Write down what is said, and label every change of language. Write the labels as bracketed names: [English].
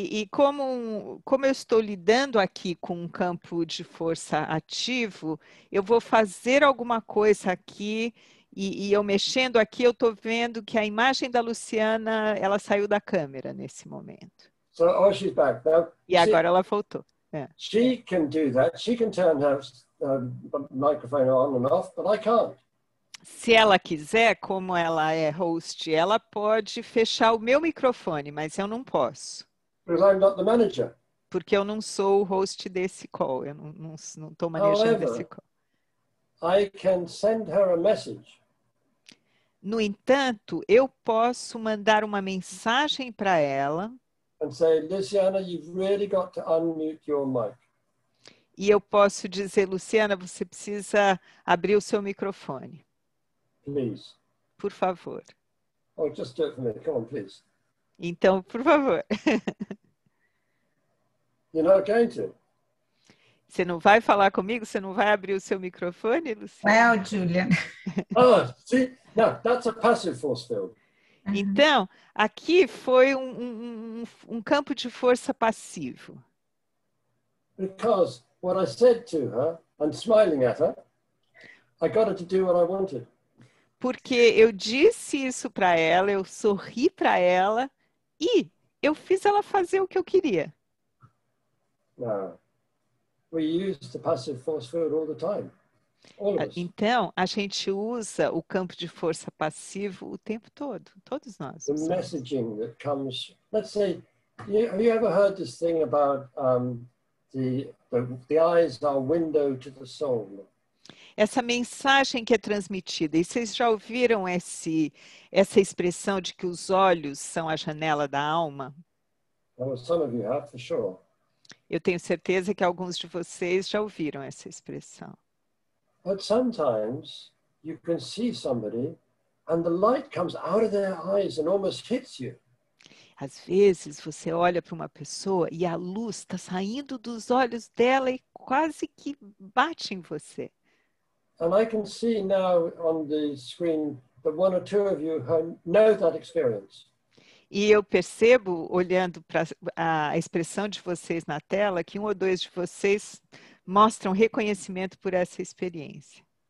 [Portuguese] Como eu estou lidando aqui com um campo de força ativo, eu vou fazer alguma coisa aqui. E eu mexendo aqui, eu estou vendo que a imagem da Luciana, ela saiu da câmera nesse momento. [English] So, oh, she's back. Now, [Portuguese] e agora ela voltou. [English] Yeah. She can do that. She can turn her microphone on and off, but I can't. [Portuguese] Se ela quiser, como ela é host, ela pode fechar o meu microfone, mas eu não posso. [English] Because I'm not the manager. [Portuguese] Porque eu não sou o host desse call. Eu não estou manejando esse call. [English] I can send her a message. [Portuguese] No entanto, eu posso mandar uma mensagem para ela. [English] And say, Luciana, you've really got to unmute your mic. [Portuguese] E eu posso dizer, Luciana, você precisa abrir o seu microfone. [English] Please. [Portuguese] Por favor. [English] Oh, just do it for me. Come on, please. [Portuguese] Então, por favor. [English] You're not going to. [Portuguese] Você não vai falar comigo? Você não vai abrir o seu microfone, Luciana? [English] Well, Julian. Oh, see, now that's a passive force field. [Portuguese] Então, aqui foi um campo de força passivo. [English] Because what I said to her, and smiling at her, I got her to do what I wanted. [Portuguese] Porque eu disse isso para ela, eu sorri para ela e eu fiz ela fazer o que eu queria. [English] Now, we use the passive force field all the time. [Portuguese] Então, a gente usa o campo de força passivo o tempo todo, todos nós. [English] The messaging that comes, let's say, have you ever heard this thing about the eyes are window to the soul? [Portuguese] Essa mensagem que é transmitida, e vocês já ouviram essa expressão de que os olhos são a janela da alma? [English] Well, some of you have, for sure. [Portuguese] Eu tenho certeza que alguns de vocês já ouviram essa expressão. [English] But sometimes you can see somebody and the light comes out of their eyes and almost hits you. [Portuguese] Às vezes você olha para uma pessoa e a luz está saindo dos olhos dela e quase que bate em você. [English] And I can see now on the screen that one or two of you know that experience. [Portuguese] E eu percebo, olhando para a expressão de vocês na tela, que um ou dois de vocês mostram reconhecimento por essa experiência.